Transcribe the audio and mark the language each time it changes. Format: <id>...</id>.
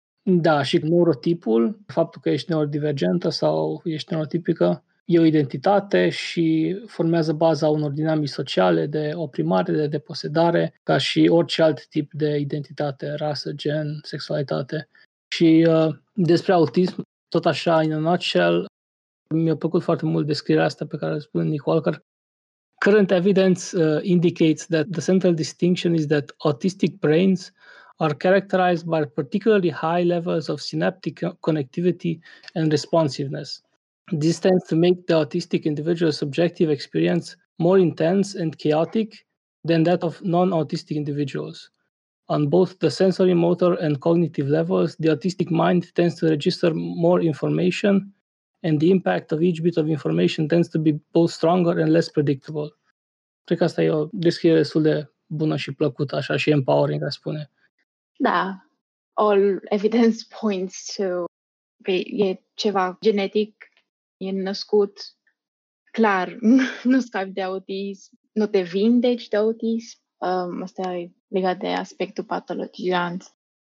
<ro>Da, și neurotipul, faptul că ești neurodivergentă sau ești neurotipică, e o identitate și formează baza unor dinamici sociale de oprimare, de deposedare, ca și orice alt tip de identitate, rasă, gen, sexualitate. Și despre autism, tot așa,</ro> <en>in a nutshell,</en> <ro>mi-a plăcut foarte mult descrierea asta pe care o spune Nick Walker.</ro> <en>Current evidence indicates that the central distinction is that autistic brains are characterized by particularly high levels of synaptic connectivity and responsiveness. This tends to make the autistic individual's subjective experience more intense and chaotic than that of non-autistic individuals. On both the sensory, motor, and cognitive levels, the autistic mind tends to register more information, and the impact of each bit of information tends to be both stronger and less predictable.</en> <ro>Cred că asta e o descriere destul de bună și plăcută, așa, și empowering, aș spune. Da,</ro> <en>all evidence points to,</en> <ro>e ceva genetic, e născut, clar, nu scapi de autism, nu te vindeci de autism, asta e legat de aspectul patologizant.</ro>